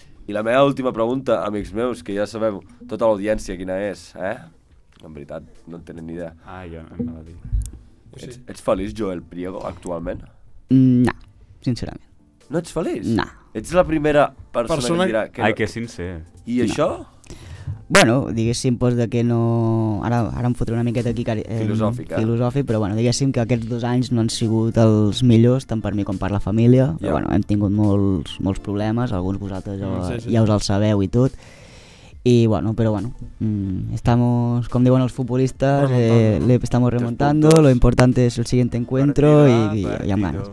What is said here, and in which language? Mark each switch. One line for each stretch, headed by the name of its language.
Catalan: I la meva última pregunta, amics meus, que ja sabem tota l'audiència quina és, eh? En veritat, no en tenen ni idea. Ah, jo no la dic. Ets feliç, Joel Priego, actualment? No, sincerament. No ets feliç? No. Ets la primera persona que dirà... Que... Ai, que sincer. I no. Això... Bueno, diguéssim, pues, de que no... Ara em fotré una miqueta aquí... Filosòfic, però bueno, diguéssim que aquests 2 anys no han sigut els millors, tant per mi com per la família.
English: Yeah.
Catalan: Però bueno, hem tingut molts problemes, alguns vosaltres ja us els sabeu i tot. I bueno, però bueno, estamos, com diuen els futbolistes,
Spanish: estamos remontando, lo importante es el siguiente encuentro y
Catalan: amb ganes.